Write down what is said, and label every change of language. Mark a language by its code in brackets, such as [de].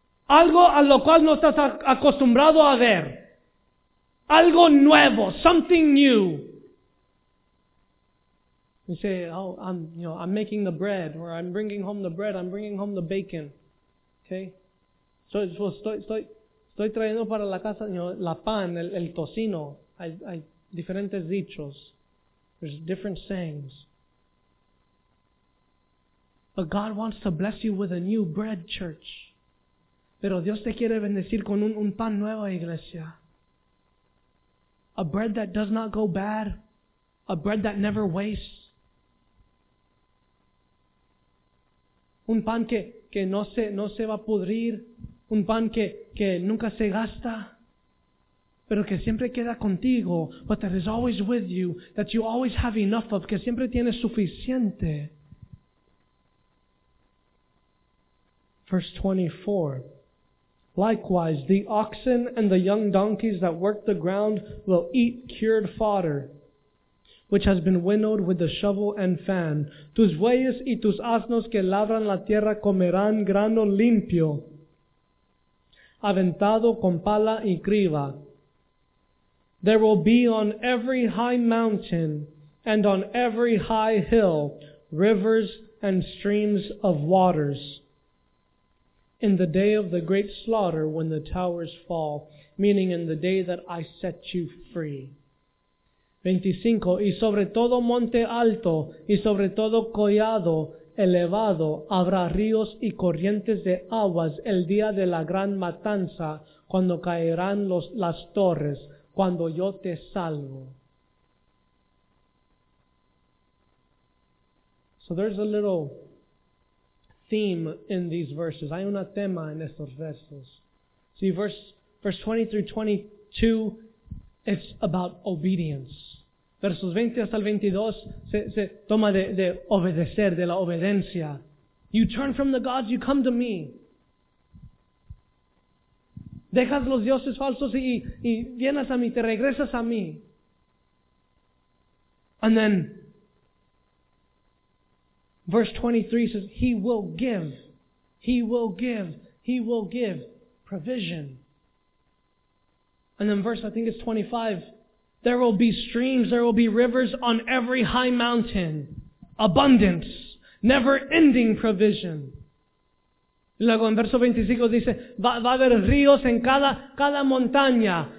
[es] Algo a lo cual no estás acostumbrado a ver. Algo nuevo, [en] something new. You say, oh, I'm making the bread, or I'm bringing home the bread, I'm bringing home the bacon. Okay? [es] So, estoy trayendo para la casa, la pan, el tocino. Hay diferentes dichos. [en] There's different sayings. But God wants to bless you with a new bread, church. [es] Pero Dios te quiere bendecir con un pan nuevo, iglesia. [en] A bread that does not go bad. A bread that never wastes. [es] Un pan que no se va a pudrir, un pan que nunca se gasta, pero que siempre queda contigo, [en] but that is always with you, that you always have enough of, [es] que siempre tienes suficiente. [en] Verse 24. Likewise, the oxen and the young donkeys that work the ground will eat cured fodder, which has been winnowed with the shovel and fan. [es] Tus bueyes y tus asnos que labran la tierra comerán grano limpio, aventado con pala y criba. [en] There will be on every high mountain and on every high hill rivers and streams of waters. In the day of the great slaughter, when the towers fall, meaning in the day that I set you free. 25. [es] Y sobre todo monte alto y sobre todo collado elevado habrá ríos y corrientes de aguas el día de la gran matanza, cuando caerán las torres, cuando yo te salvo. [en] So there's a little theme in these verses. [es] Hay una tema en estos versos. [en] See, verse 20 through 22, it's about obedience. [es] Versos 20 hasta el 22 se toma de obedecer, de la obediencia. [en] You turn from the gods, you come to me. [es] Dejas los dioses falsos y vienes a mí, te regresas a mí. [en] And then, verse 23 says, He will give provision. And then verse, I think it's 25, there will be streams, there will be rivers on every high mountain. Abundance. Never-ending provision. [es] Luego en verso 25 dice, va a haber ríos en cada montaña.